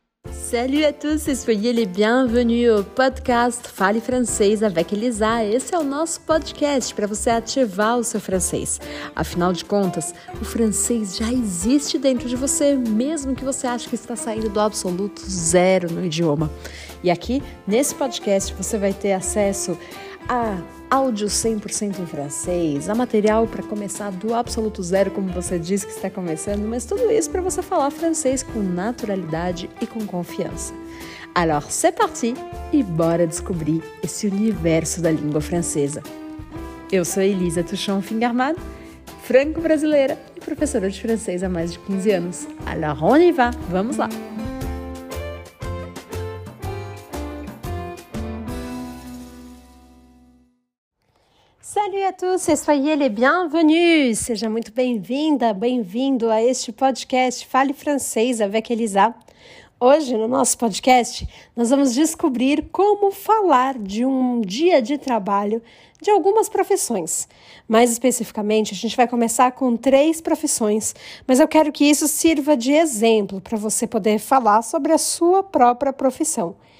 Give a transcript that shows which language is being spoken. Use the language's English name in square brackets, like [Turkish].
[French] Salut à tous et soyez les bienvenus au podcast Fale Francês avec Elisa. [Portuguese] Esse é o nosso podcast para você ativar o seu francês. Afinal de contas, o francês já existe dentro de você, mesmo que você ache que está saindo do absoluto zero no idioma. E aqui, nesse podcast, você vai ter acesso a áudio 100% em francês, a material para começar do absoluto zero, como você disse que está começando, mas tudo isso para você falar francês com naturalidade e com confiança. [French] Alors, c'est parti [Portuguese] e bora descobrir esse universo da língua francesa. Eu sou Elisa Touchon Fingarmad, franco-brasileira e professora de francês há mais de 15 anos. [French] Alors, on y va, [Portuguese] vamos lá! [French] Salut à tous, soyez les bienvenus! [Portuguese] Seja muito bem-vinda, bem-vindo a este podcast Fale Francês avec Elisa. Hoje, no nosso podcast, nós vamos descobrir como falar de um dia de trabalho de algumas profissões. Mais especificamente, a gente vai começar com três profissões, mas eu quero que isso sirva de exemplo para você poder falar sobre a sua própria profissão.